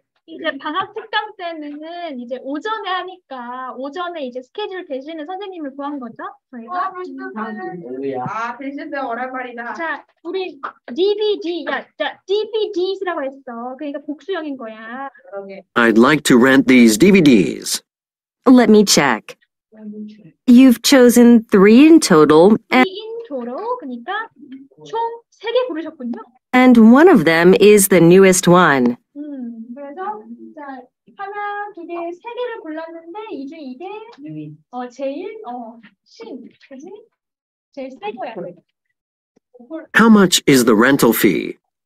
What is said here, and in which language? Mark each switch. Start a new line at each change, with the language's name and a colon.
Korean: 이제 방학 특강 때는 이제 오전에 하니까 오전에 이제 스케줄 되시는 선생님을 구한 거죠? 저희가 아, 멋있는데. 아, 되신데 오랜만이다. 자, 우리 DBD, 야, 자, DBD라고 했어. 그러니까 복수형인 거야.
English: I'd like to rent these DVDs. Let me check. You've chosen three in total. And three in total,
Korean: 그러니까 총 세 개 고르셨군요.
English: And one of them is the newest one.
Korean: 그래서 자 하나 두 개 세 개를 골랐는데 이 중 이게 어 제일 어 신 그지 제일 새 거야.
English: How much is the rental fee?